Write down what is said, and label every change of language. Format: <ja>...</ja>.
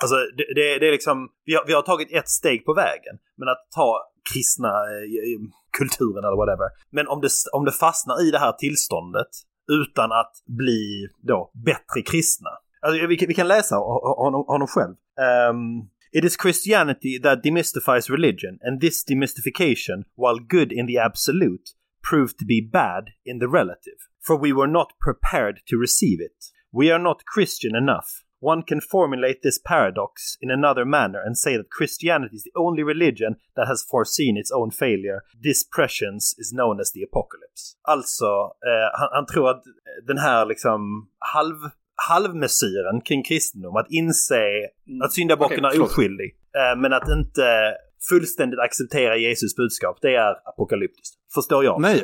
<sv>Alltså, det är liksom, vi har tagit ett steg på vägen, men att ta kristna kulturen eller whatever. Men om det fastnar i det här tillståndet utan att bli då bättre kristna. Alltså, vi kan läsa honom själv.</sv> <en>It is Christianity that demystifies religion, and this demystification, while good in the absolute, proved to be bad in the relative. For we were not prepared to receive it. We are not Christian enough. One can formulate this paradox in another manner and say that Christianity is the only religion that has foreseen its own failure. This prescience is known as the apocalypse.</en> <sv>Alltså, han tror att den här liksom halvmesyren kring kristendom, att inse att syndabocken är oskyldig, men att inte fullständigt acceptera Jesus budskap, det är apokalyptiskt. Förstår jag?</sv>